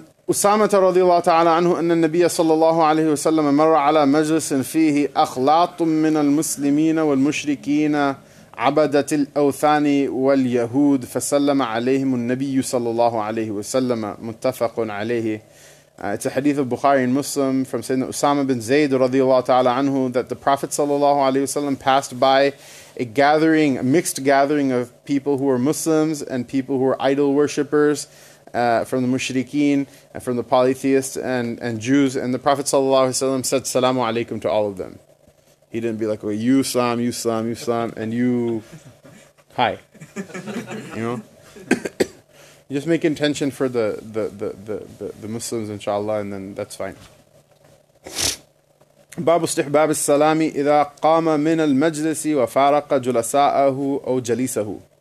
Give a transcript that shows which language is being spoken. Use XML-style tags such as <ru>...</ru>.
<ar>أسامة رضي الله تعالى عنه أن النبي صلى الله عليه وسلم مر على مجلس فيه أخلاط من المسلمين والمشركين عبدة الأوثان واليهود فسلم عليهم النبي صلى الله عليه وسلم متفق عليه.</ar> <en>It's a hadith of Bukhari and Muslim from Sayyidina Usama bin Zayd</en> <ar>رضي الله تعالى عنه</ar> <en>that the Prophet</en> <ar>صلى الله عليه وسلم</ar> <en>passed by a mixed gathering of people who are Muslims and people who are idol worshippers. From the mushrikeen, and from the polytheists and Jews, and the Prophet ﷺ said salamu alaykum to all of them. He didn't be like, well, you salam, you salam, you salam, and you, hi. You know? You just make intention for the Muslims, inshallah, and then that's fine.</en> <ar>باب استحباب السلام إذا قام من المجلس وفارق جلساءه أو جليسه.</ar>